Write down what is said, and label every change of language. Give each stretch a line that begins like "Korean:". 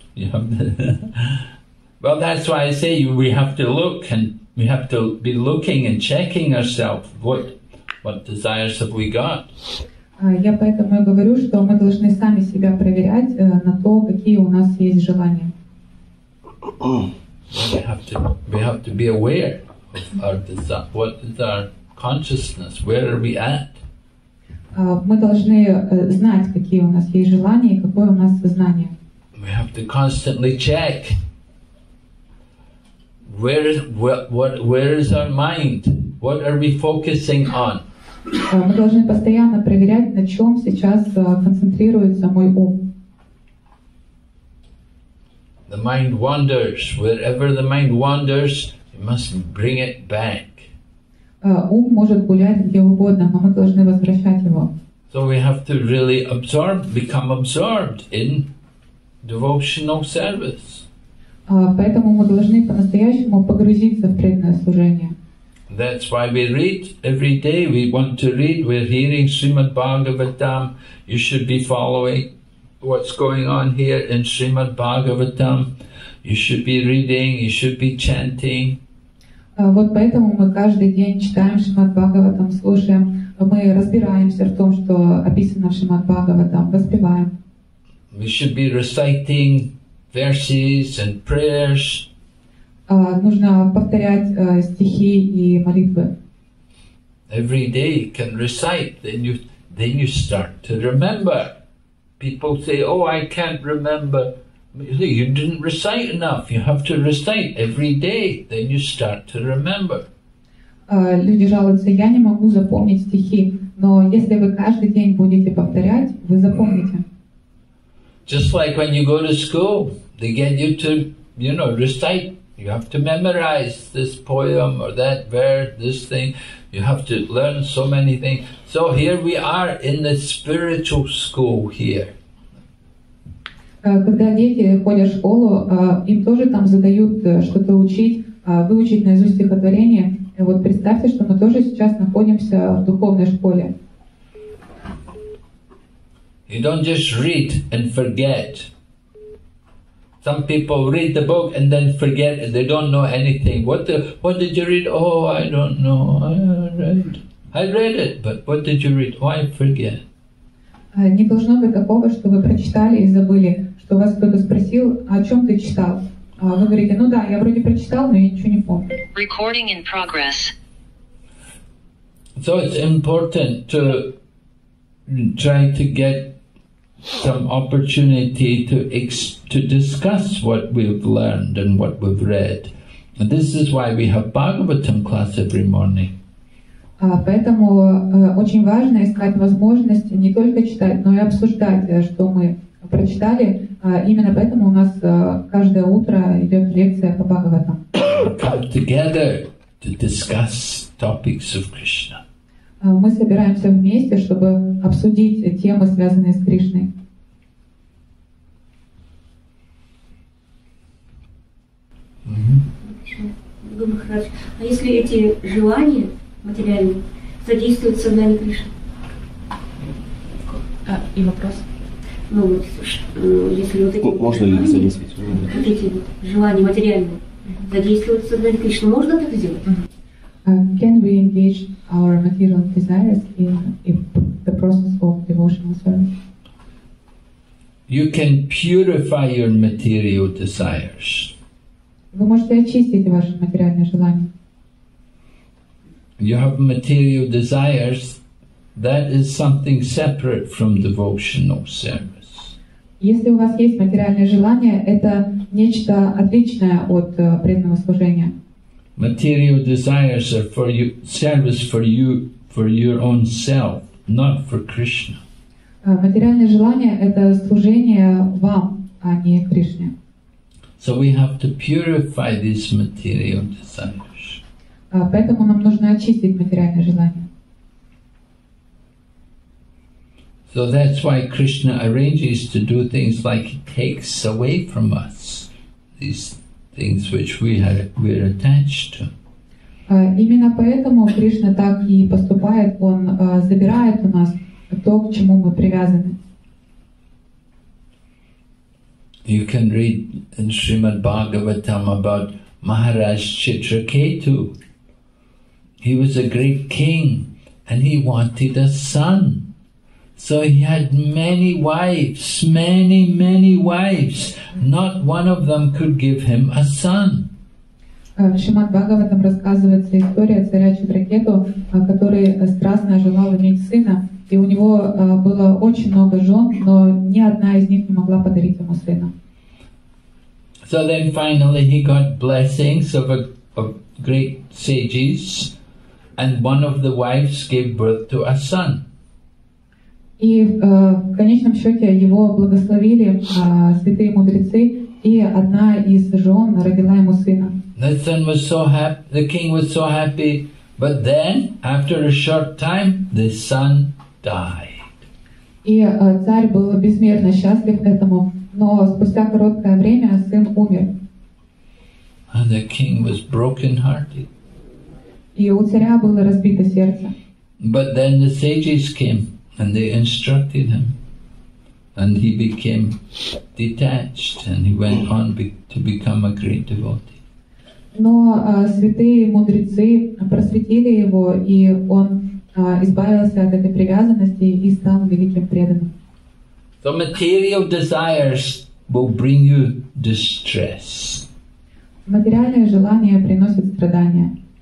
English: You have well, that's why I say we have to look, and we have to be looking and checking ourselves. What desires have we got?
Russian: Я поэтому и говорю, что мы должны сами себя проверять на то, какие у нас есть желания.
English: We have to be aware of our desire. What is our consciousness, where are we at?
Russian: Мы должны знать, какие у нас есть желания и какое у нас сознание.
English: We have to constantly check. Where is our mind? What are we focusing on?
Russian: Мы должны постоянно проверять, на чем сейчас концентрируется мой ум.
English: The mind wanders. Wherever the mind wanders, you must bring it back.
Russian: Ум может гулять где угодно, но мы должны возвращать его.
English: So we have to really absorb, become absorbed in devotional service.
Russian: Поэтому мы должны по-настоящему погрузиться в преданное служение.
English: That's why we read every day. We want to read. We're hearing Srimad Bhagavatam. You should be following what's going on here in Srimad Bhagavatam. You should be reading. You should be chanting.
Russian: Вот поэтому мы каждый день читаем Шримад Бхагаватам, слушаем, мы разбираемся в том, что описано в Шримад Бхагаватам, воспеваем.
English: We should be reciting verses and prayers.
Russian: Нужно повторять стихи и молитвы.
English: Every day you can recite, then you start to remember. People say, oh, I can't remember. You didn't recite enough. You have to recite every day. Then you start to remember.
Russian: Люди жалуются, я не могу запомнить стихи. Но если вы каждый день будете повторять, вы запомните.
English: Just like when you go to school, they get you to, you know, recite. You have to memorize this poem or that verse, this thing. You have to learn so many things. So here we are in the spiritual school here.
Russian: Когда дети ходят в школу, им тоже там задают что-то учить, выучить наизусть стихотворение. И вот представьте, что мы тоже сейчас находимся в духовной школе.
English: You don't just read and forget. Some people read the book and then forget it. They don't know anything. What did you read? Oh, I don't know. I read it, but what did you read? Why forget?
Russian: Не должно быть такого, что вы прочитали и забыли, что вас кто-то спросил, о чем ты читал. Вы говорите, ну да, я вроде прочитал, но я ничего не помню.
English: Recording in progress. So it's important to try to get some opportunity to discuss what we've learned and what we've read. And this is why we have Bhagavatam class every morning.
Russian: Поэтому очень важно искать возможность не только читать, но и обсуждать, что мы прочитали. Именно поэтому у нас каждое утро идет лекция по Бхагаватам.
English: Come together to discuss topics of Krishna.
Russian: Мы собираемся вместе, чтобы обсудить темы, связанные с Кришной. А если эти желания материальные содействуют сознанию Кришны? И вопрос? Ну, если вот эти... Можно ли задействовать? Вот эти желания материальные задействуют сознанию Кришны. Можно это сделать?
English: Can we engage our material desires in the process of devotional service? You can purify your material desires.
Russian: Вы можете очистить ваши материальные желания.
English: You have material desires. That is something separate from devotional service.
Russian: Если у вас есть материальные желания, это нечто отличное от преданного служения.
English: Material desires are for you, service for you, for your own self, not for Krishna.
Russian: Материальные желания – это служение вам, а не Кришне.
English: So we have to purify these material desires.
Russian: Поэтому нам нужно очистить материальные желания.
English: So that's why Krishna arranges to do things like he takes away from us these things which we're attached to.
Russian: Именно поэтому Кришна так и поступает. Он забирает у нас то, к чему мы привязаны.
English: You can read in Srimad Bhagavatam about Maharaj Chitraketu. He was a great king and he wanted a son. So he had many wives, many, many wives. Not one of them could give him a son.
Russian: В Шримад Бхагаватам рассказывается история царя Читракету, который страстно желал иметь сына. И у него было очень много жен, но ни одна из них не могла подарить ему сына.
English: So then finally he got blessings of great sages, and one of the wives gave birth to a son.
Russian: И в конечном счете его благословили святые мудрецы, и одна из жен родила ему сына.
English: The son was so happy, the king was so happy, but then, after a short time, the son died.
Russian: И царь был безмерно счастлив этому, но спустя короткое время сын умер.
English: And the king was broken-hearted.
Russian: И у царя было разбито сердце.
English: But then the sages came. And they instructed him, and he became detached, and he went on to become a great devotee.
Russian: Но святые мудрецы просветили его, и он избавился от этой привязанности и стал великим преданным.
English: So material desires will bring you distress.
Russian: Материальные желания приносят страдания.